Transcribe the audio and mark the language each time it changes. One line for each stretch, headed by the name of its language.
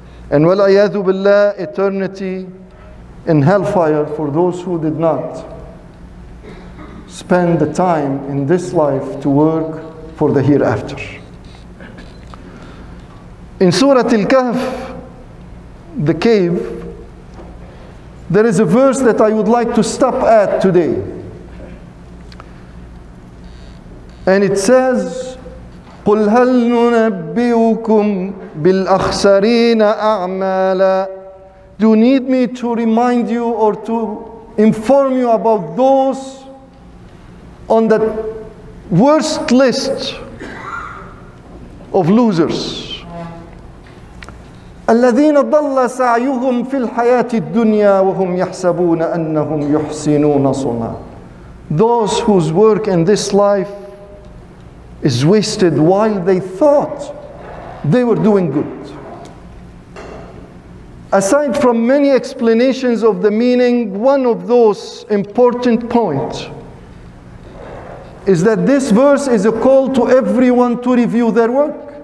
English: And wal ayadu billah, eternity in hellfire for those who did not spend the time in this life to work for the hereafter. In Surah Al-Kahf, the cave, there is a verse that I would like to stop at today. And it says,
Arabic: قل هل ننبئكم بالأخسرين أعمالا.
English: Do you need me to remind you or to inform you about those on the worst list of losers?
Arabic: الذين ضل سعيهم في الحياة الدنيا وهم يحسبون أنهم يحسنون صنعا.
English: Those whose work in this life is wasted while they thought they were doing good. Aside from many explanations of the meaning, one of those important points is that this verse is a call to everyone to review their work.